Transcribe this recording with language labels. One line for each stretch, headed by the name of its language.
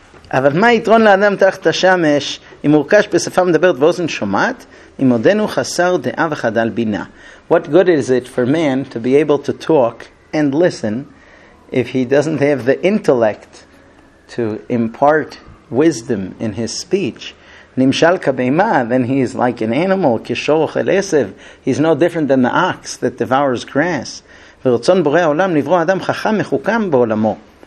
Hebrew: אבל מה יתרון לאדם תחת השמש אם מורכש בשפה מדברת ואוזן שומעת אם עודנו חסר דעה וחדל בינה?
English: What good is it for man to be able to talk and listen if he doesn't have the intellect to impart wisdom in his speech?
Hebrew: נמשל כבהמה,
English: then he is like an animal,
Hebrew: כשור אוכל עשב,
English: he's no different than the ox that devours grass.
Hebrew: ורצון בורא העולם לברוא אדם חכם מחוכם בעולמו.